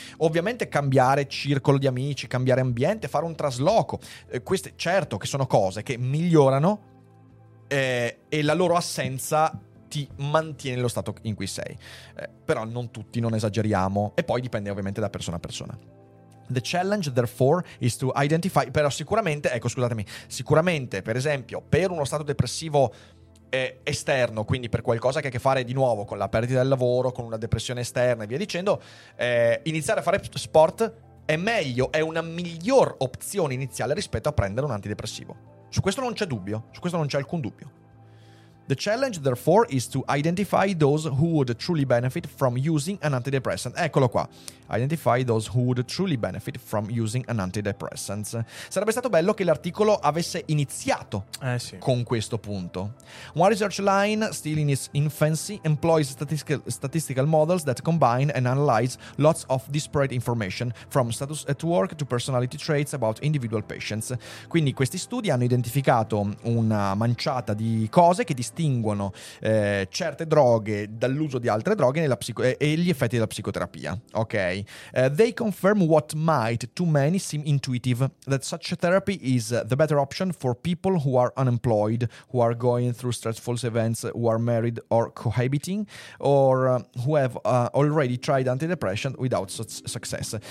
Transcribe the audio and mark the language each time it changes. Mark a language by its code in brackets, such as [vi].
[it] Ovviamente cambiare circolo di amici, cambiare ambiente, fare un trasloco. Queste, certo, che sono cose che migliorano e la loro assenza ti mantiene lo stato in cui sei. Però non tutti, non esageriamo. E poi dipende ovviamente da persona a persona. [en] The challenge, therefore, is to identify... [it] Però sicuramente, ecco, scusatemi, sicuramente, per esempio, per uno stato depressivo esterno, quindi per qualcosa che ha a che fare di nuovo con la perdita del lavoro, con una depressione esterna e via dicendo, iniziare a fare sport è meglio, è una miglior opzione iniziale rispetto a prendere un antidepressivo. Su questo non c'è dubbio, su questo non c'è alcun dubbio. [en] The challenge, therefore, is to identify those who would truly benefit from using an antidepressant. [it] Eccolo qua. [en] Identify those who would truly benefit from using an antidepressant. [it] Sarebbe stato bello che l'articolo avesse iniziato con questo punto. [en] One research line, still in its infancy, employs statistical models that combine and analyze lots of disparate information from status at work to personality traits about individual patients. [it] Quindi questi studi hanno identificato una manciata di cose che distinguono certe droghe dall'uso di altre droghe nella e gli effetti della psicoterapia. Ok. [en] They confirm what might to many seem intuitive, that such a therapy is the better option for people who are unemployed, who are going through stressful events, who are married or cohabiting, or who have already tried antidepressant without success.